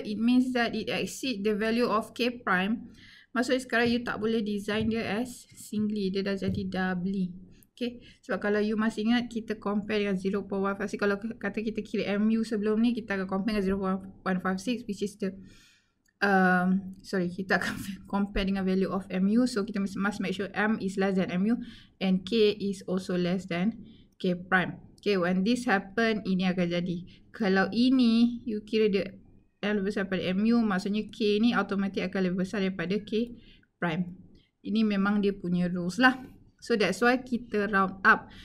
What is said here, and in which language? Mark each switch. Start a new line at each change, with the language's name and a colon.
English: It means that it exceed the value of K prime.
Malay: Maksudnya sekarang you tak boleh design dia as singly, dia dah jadi doubly. Okay, sebab kalau you masih ingat, kita compare dengan 0.156. Kalau kata kita kira MU sebelum ni, kita akan compare dengan 0.156,
English: which is the
Malay: Sorry, kita akan compare dengan
English: value of mu. So
Malay: kita
English: must make sure m is less than mu and k is also less than k prime. Okay, when this happen,
Malay: ini akan jadi. Kalau ini, you kira dia l lebih besar daripada mu, maksudnya k ni automatik akan lebih besar daripada k prime. Ini memang dia punya rules lah.
English: So that's why
Malay: kita
English: round up.